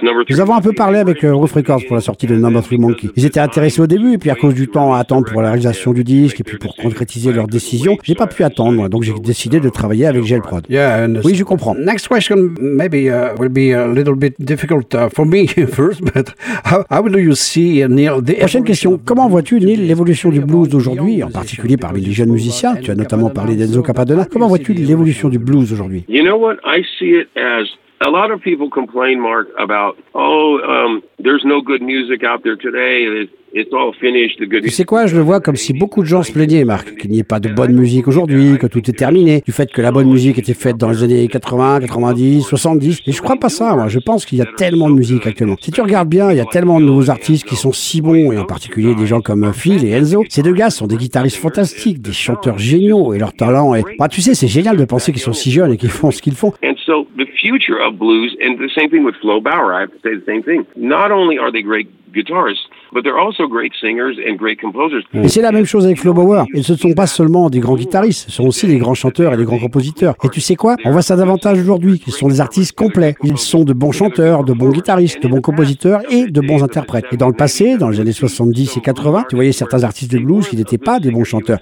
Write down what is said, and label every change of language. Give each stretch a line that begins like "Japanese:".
French: Nous avons un peu parlé avec Roof Records pour la sortie de Number 3 Monkey. Ils étaient intéressés au début, puis à cause du temps à attendre pour la réalisation du disque et puis pour concrétiser leur décision, j'ai pas pu attendre, donc j'ai décidé de travailler avec Gel Prod. Oui, je comprends.
English: Next question maybe will be a little bit difficult for me first, but how do you see Neil?
French: Prochaine question. Comment vois-tu, Neil, l'évolution du blues d'aujourd'hui, en particulier parmi les jeunes musiciens? Tu as notamment parlé d'Enzo Cappadonna. Comment vois-tu l'évolution du blues aujourd'hui?
English: You know what? I see it as a lot of people complain, Mark, about there's no good music out there today. It's all finished.
French: Tu sais quoi, je le vois comme si beaucoup de gens se plaignaient, Marc, qu'il n'y ait pas de bonne musique aujourd'hui, que tout est terminé, du fait que la bonne musique était faite dans les années 80, 90, 70. Et je crois pas ça, moi. Je pense qu'il y a tellement de musique actuellement. Si tu regardes bien, il y a tellement de nouveaux artistes qui sont si bons, et en particulier des gens comme Phil et Enzo. Ces deux gars sont des guitaristes fantastiques, des chanteurs géniaux, et leur talent est... Bah, tu sais, c'est génial de penser qu'ils sont si jeunes et qu'ils font ce qu'ils font.
English: So the future of blues, and the same thing with Flo Bauer, I have to say the same thing. Not only are they great guitarists, but they're also great singers and great composers.
French: Et c'est la même chose avec Flo Bauer. Ils ne sont pas seulement des grands guitaristes, ce sont aussi des grands chanteurs et des grands compositeurs. Et tu sais quoi? On voit ça davantage aujourd'hui. Ils sont des artistes complets. Ils sont de bons chanteurs, de bons guitaristes, de bons compositeurs et de bons interprètes. Et dans le passé, dans les années 70 et 80, tu voyais certains artistes de blues qui n'étaient pas des bons chanteurs.